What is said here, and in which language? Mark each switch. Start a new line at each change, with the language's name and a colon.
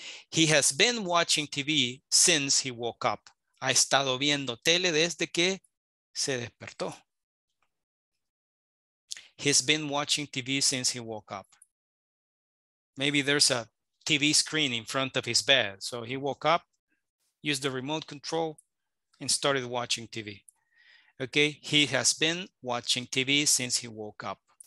English: He has been watching TV since he woke up.
Spanish: Ha estado viendo tele desde que se despertó.
English: He's been watching TV since he woke up. Maybe there's a TV screen in front of his bed. So he woke up, used the remote control, and started watching TV. Okay, he has been watching TV since he woke up.